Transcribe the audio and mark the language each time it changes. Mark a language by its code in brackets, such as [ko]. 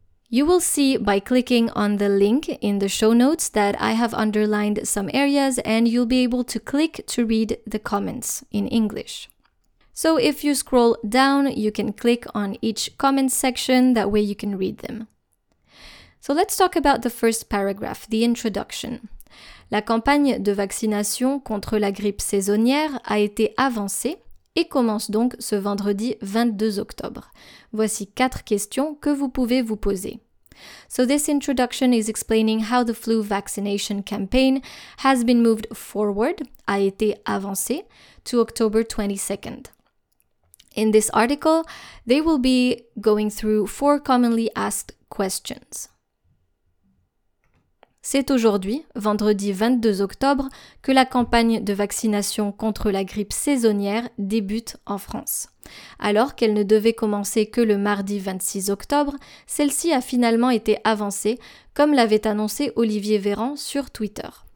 [en] You will see by clicking on the link in the show notes that I have underlined some areas and you'll be able to click to read the comments in English. So if you scroll down, you can click on each comment section, that way you can read them. So let's talk about the first paragraph, the introduction. [fr] La campagne de vaccination contre la grippe saisonnière a été avancée et commence donc ce vendredi 22 octobre. Voici quatre questions que vous pouvez vous poser. [en] So this introduction is explaining how the flu vaccination campaign has been moved forward, [fr] a été avancée, [en] to October 22nd. In this article, they will be going through four commonly asked questions. [fr] C'est aujourd'hui, vendredi 22 octobre, que la campagne de vaccination contre la grippe saisonnière débute en France. Alors qu'elle ne devait commencer que le mardi 26 octobre, celle-ci a finalement été avancée, comme l'avait annoncé Olivier Véran sur Twitter.